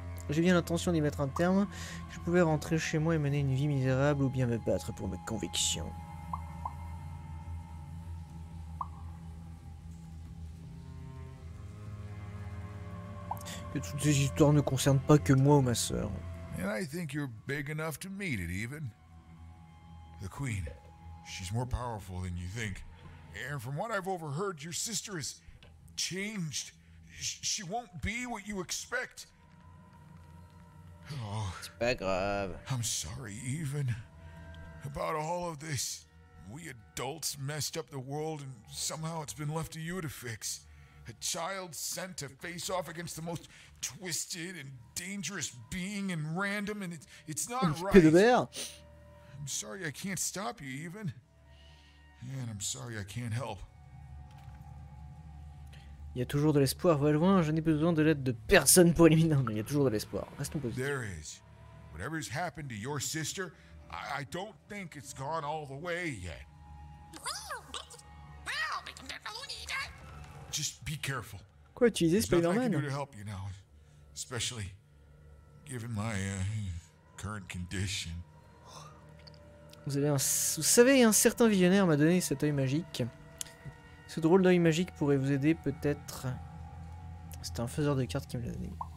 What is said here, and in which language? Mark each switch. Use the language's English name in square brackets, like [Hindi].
[French] J'ai bien l'intention d'y mettre un terme, que je pouvais rentrer chez moi et mener une vie misérable ou bien me battre pour mes convictions. Que toutes ces histoires ne concernent pas que moi ou ma sœur. [English] And I think you're big enough to meet it, even. The queen, she's more powerful than you think. And from what I've overheard, your sister has changed. She won't be what you expect. [French] Oh, c'est pas grave. [English] I'm sorry, even about all of this. We adults messed up the world, and somehow it's been left to you to fix. A child sent to face off against the most twisted and dangerous being and random, and it's not right. I'm sorry I can't stop you, even. And I'm sorry I can't help. [French] Il y a toujours de l'espoir, va loin, je n'ai besoin de l'aide de personne pour éliminer. Non, mais il y a toujours de l'espoir. Restons positifs. [English] There is. Whatever's happened to your sister, I don't think it's gone all the way yet. Just be careful. [French] Quoi, tu disais Spider-Man? [English] There's nothing to help you now, especially given my current condition. [French] Vous savez, un certain visionnaire m'a donné cet œil magique. Ce drôle d'œil magique pourrait vous aider, peut-être. C'est un faiseur de cartes qui me l'a donné.